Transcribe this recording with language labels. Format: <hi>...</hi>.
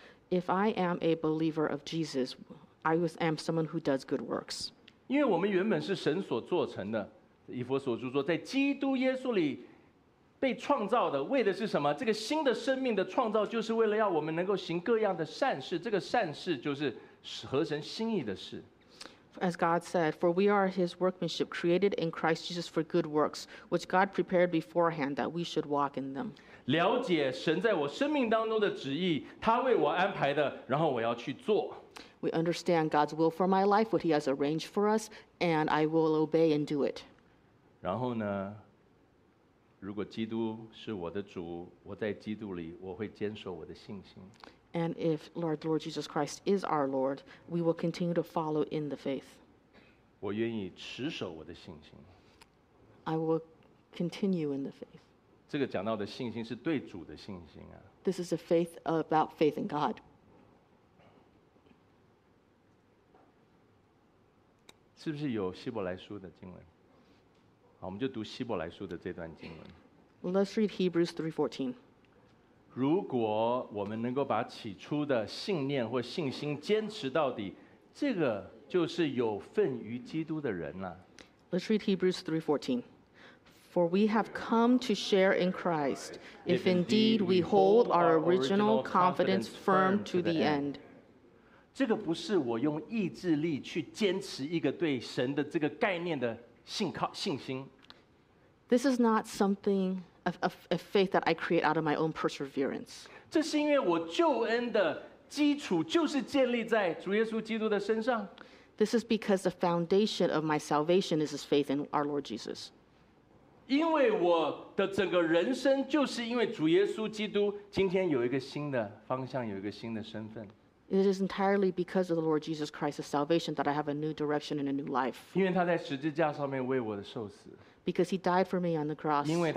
<en>If I am a believer of Jesus, I am someone who does good works.</en> <zh>因为我们原本是神所做成的，以弗所书说，在基督耶稣里被创造的，为的是什么？这个新的生命的创造，就是为了要我们能够行各样的善事。这个善事就是合神心意的事。</zh> <en>As God said, for we are His workmanship, created in Christ Jesus for good works, which God prepared beforehand that we should walk in them.</en> <zh>了解神在我生命当中的旨意，他为我安排的，然后我要去做。</zh> <en>We understand God's will for my life, what He has arranged for us, and I will obey and do it.</en> <zh>然后呢，如果基督是我的主，我在基督里，我会坚守我的信心。</zh> <en>And if Lord Jesus Christ is our Lord, we will continue to follow in the faith.</en> <zh>我愿意持守我的信心。</zh> <en>I will continue in the faith.</en> <zh>这个讲到的信心是对主的信心啊。</zh> <en>This is a faith about faith in God.</en> <zh>是不是有希伯来书的经文？好，我们就读希伯来书的这段经文。</zh> <en>Let's read Hebrews 3:14.</en> <zh>如果我们能够把起初的信念或信心坚持到底，这个就是有份于基督的人了。</zh> <en>Let's read Hebrews 3:14. For we have come to share in Christ, if indeed we hold our original confidence firm to the end.</en> <zh>这个不是我用意志力去坚持一个对神的这个概念的信心。</zh> <en>This is not something a faith that I create out of my own perseverance.</en> <zh>这是因为我救恩的基础就是建立在主耶稣基督的身上。</zh> <en>This is because the foundation of my salvation is this faith in our Lord Jesus.</en> <zh>因为我的整个人生就是因为主耶稣基督，今天有一个新的方向，有一个新的身份。</zh> <en>It is entirely because of the Lord Jesus Christ's salvation that I have a new direction and a new life. Because he died for me on the cross.</en>